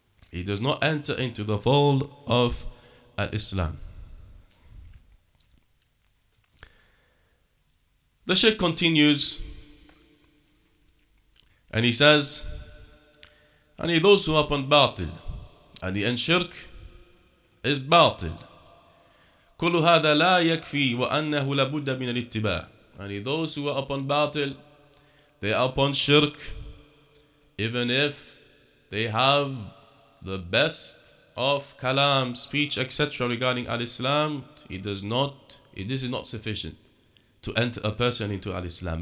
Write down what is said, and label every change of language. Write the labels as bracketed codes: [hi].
[en] He does not enter into the fold of al-Islam. The Shaykh continues, and he says, and those who are upon batil, and the shirk is batil. [ar] كل هذا لا يكفي وأنه لابد من الاتباع. [en] And those who are upon batil, they are upon shirk, even if they have the best of kalam, speech, etc. regarding al-Islam, this is not sufficient to enter a person into al-Islam.